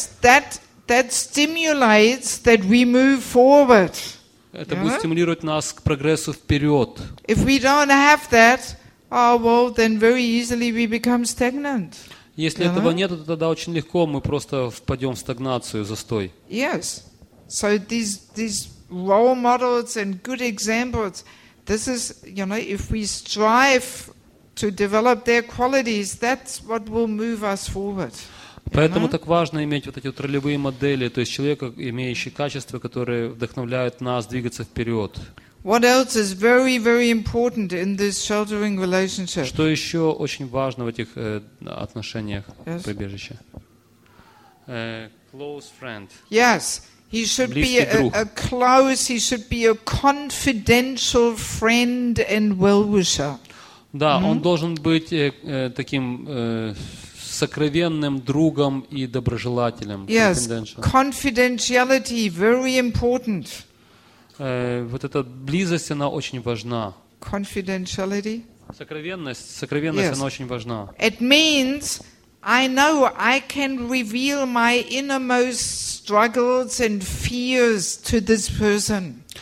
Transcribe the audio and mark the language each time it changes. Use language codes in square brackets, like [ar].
[en] Yes, that stimulates that we move forward. [ru] Это будет стимулировать нас к прогрессу вперед. [en] If we don't have that, oh well, then very easily we become stagnant. [ru] Если этого нет, то тогда очень легко мы просто впадем в стагнацию, застой. [en] Yes. So these role models and good examples, this is, you know, if we strive to develop their qualities, that's what will move us forward. [ru] Поэтому так важно иметь вот эти вот ролевые модели, то есть человека, имеющий качества, которые вдохновляют нас двигаться вперед. [en] What else is very, very important in this sheltering relationship? [ru] Что еще очень важно в этих отношениях прибежища? [en] Close friend. Yes, he should be a close. He should be a confidential friend and well-wisher. [ru] Да, он должен быть таким сокровенным другом и доброжелателем. [en] Yes, confidentiality very important. [ru] Вот эта близость, она очень важна. [en] Confidentiality? [ru] Сокровенность, она очень важна. [en] It means I know I can reveal my innermost struggles and fears to this person.